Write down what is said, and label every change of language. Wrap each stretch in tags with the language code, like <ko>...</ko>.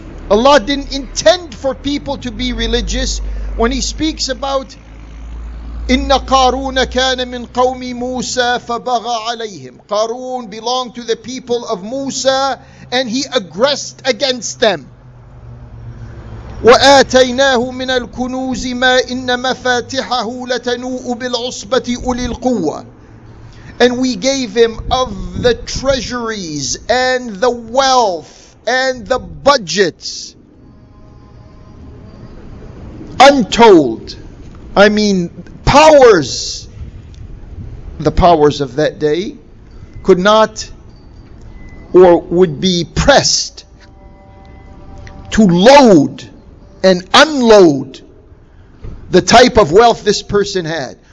<en>Allah didn't intend for people to be religious when He speaks about</en> <ar>Inna Qarun kana min qawmi Musa fabagha alayhim.</ar> <en>Qarun belonged to the people of Musa and he aggressed against them.</en> <ar>وآتيناه من الكنوز ما إن مفاتحه لتنوء بالعصبة أولي القوة.</ar> <en>And we gave him of the treasuries and the wealth and the budgets untold. I mean, powers. The powers of that day could not or would be pressed to load and unload the type of wealth this person had.</en>